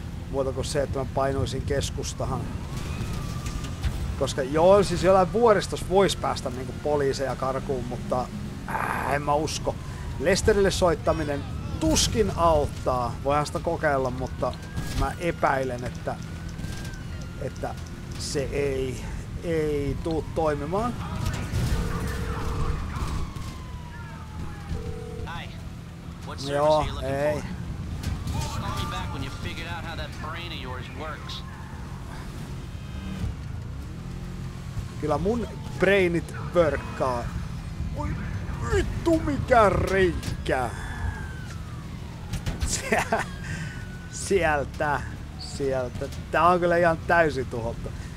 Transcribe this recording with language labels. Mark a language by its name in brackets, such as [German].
[Finnish] Muuta kuin se, että mä painoisin keskustahan. Koska joo, siis jollain vuoristossa voisi päästä niinku poliiseja karkuun, mutta... en mä usko. Lesterille soittaminen tuskin auttaa. Voihan sitä kokeilla, mutta mä epäilen, että se ei tuu toimimaan. [English] Hi. What service joo, are you looking ei. For? Call me back when you figured out how that brain of yours works. [Finnish] Kyllä mun brainit workkaa. Oi. Vittu, mikä reikä! Sieltä. Tää on kyllä ihan täysin tuhottu.